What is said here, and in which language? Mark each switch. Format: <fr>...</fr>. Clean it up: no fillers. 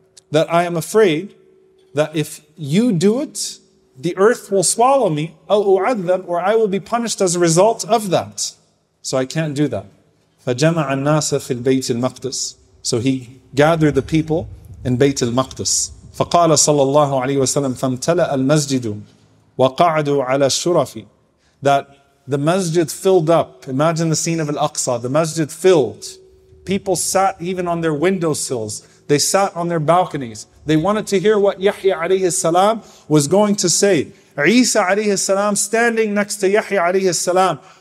<en>That I am afraid that if you do it, the earth will swallow me,</en> <ar>أو أعذب,</ar> <en>or I will be punished as a result of that. So I can't do that.</en> <ar>فجمع الناس في البيت المقدس.</ar> <en>So he gathered the people in Bayt al-Maqdis.</en> <ar>فقال صلى الله عليه وسلم فامتلأ المسجد وقعدوا على الشرف.</ar> <en>That the masjid filled up. Imagine the scene of Al-Aqsa. The masjid filled. People sat even on their windowsills. They sat on their balconies. They wanted to hear what Yahya alayhi salam was going to say. Isa alayhi salam standing next to Yahya alayhi salam.</en>